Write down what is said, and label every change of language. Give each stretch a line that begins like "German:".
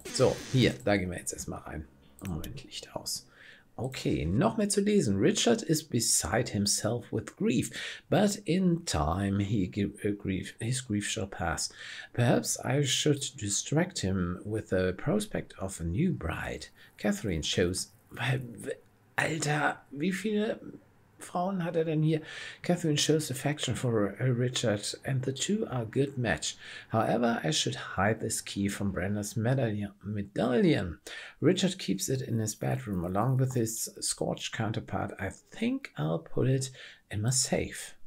German: So, hier, da gehen wir jetzt erstmal rein. Moment, Licht aus. Okay, noch mehr zu lesen.
English: Richard is beside himself with grief, but in time his grief shall pass. Perhaps I should distract him with the prospect of a new bride. Catherine shows...
German: Alter, wie viele Frauen hat er denn hier?
English: Catherine shows affection for Richard and the two are a good match. However, I should hide this key from Brenda's medallion. Richard keeps it in his bedroom along with his scorched counterpart. I think I'll put it in my safe.